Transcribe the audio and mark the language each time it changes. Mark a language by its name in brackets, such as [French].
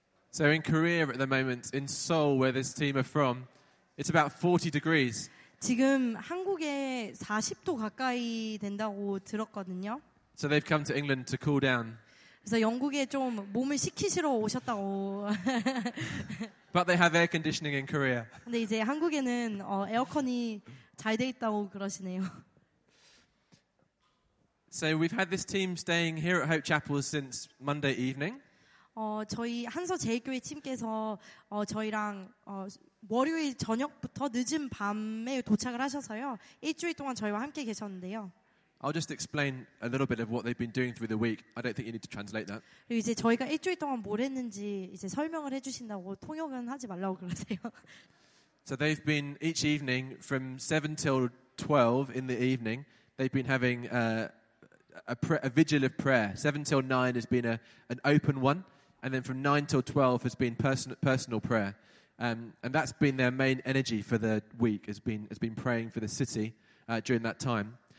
[English] So in Korea at the moment, in Seoul where this team are from, it's about 40 degrees. [Korean] 지금 한국에 40도 가까이 된다고 들었거든요. [English] So they've come to England to cool down. [Korean] 그래서 영국에 좀 몸을 식히시러 오셨다고. [English] But they have air conditioning in Korea. [Korean] 근데 이제 한국에는 에어컨이 잘 돼 있다고 그러시네요. [English] So we've had this team staying here at Hope Chapel since Monday evening. [Korean] 저희 한서 제일교회 팀께서 저희랑 월요일 저녁부터 늦은 밤에 도착을 하셔서요. 일주일 동안 저희와 함께 계셨는데요. [English] I'll just explain a little bit of what they've been doing through the week. I don't think you need to translate that. [Korean] 이제 저희가 일주일 동안 뭘 했는지 이제 설명을 해 주신다고 통역은 하지 말라고 그러세요. [English] So they've been each evening from 7 till 12 in the evening, they've been having a vigil of prayer. 7 till 9 has been an open one, and then from 9 till 12 has been personal prayer. And that's been their main energy for the week, has been praying for the city during that time.